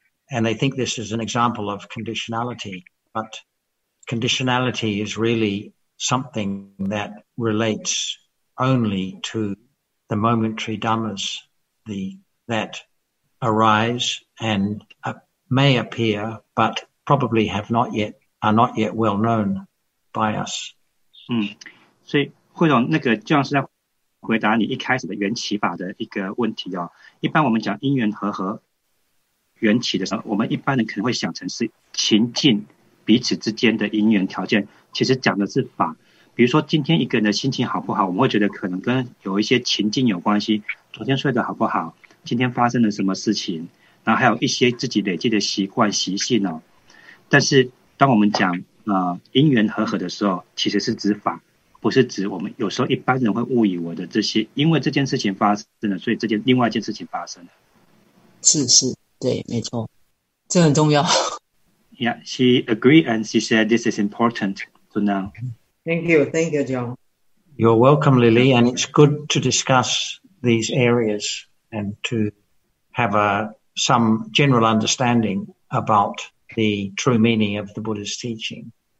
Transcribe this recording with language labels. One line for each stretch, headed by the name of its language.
English: And they think this is an example of conditionality, but conditionality is really something that relates only to the momentary dhammas that arise and may appear, but probably are not yet well known by us. Mm.
Chinese: 所以慧总，那个就像是在回答你一开始的缘起法的一个问题哦。一般我们讲因缘和合缘起的时候，我们一般人可能会想成是情境彼此之间的因缘条件，其实讲的是法。比如说今天一个人的心情好不好，我们会觉得可能跟有一些情境有关系，昨天睡得好不好，今天发生了什么事情，然后还有一些自己累积的习惯习性哦。但是当我们讲因缘和合的时候，其实是指法，不是指我们有时候一般人会误以为的这些，因为这件事情发生了，所以这件另外一件事情发生了。是，对，没错，这很重要。
English: Yeah, she agreed and she said this is important to know. Thank you, John. You're welcome, Lily, and it's good to discuss these areas and to have some general understanding about the true meaning of the Buddha's teaching.